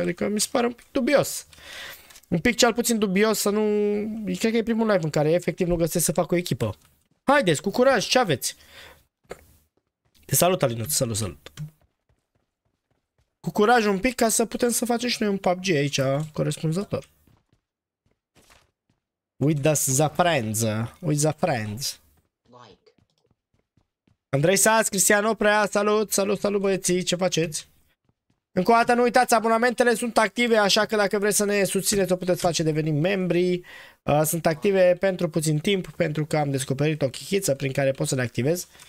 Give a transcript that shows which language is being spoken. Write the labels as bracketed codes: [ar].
[ro] Adică mi se pare un pic dubios. Un pic cel puțin dubios să nu... Cred că e primul live în care efectiv nu găsesc să fac o echipă. Haideți, cu curaj, ce aveți? Te salut, Alinu, te salut, salut. Cu curaj un pic ca să putem să facem și noi un PUBG aici, corespunzător. [en] With us the friends, with the friends. [ro] Andrei Saas, Cristian Oprea, salut, salut, salut băieții, ce faceți? Încă o dată nu uitați, abonamentele sunt active, așa că dacă vreți să ne susțineți o puteți face deveni membri. Sunt active pentru puțin timp, pentru că am descoperit o chichiță prin care pot să le activez.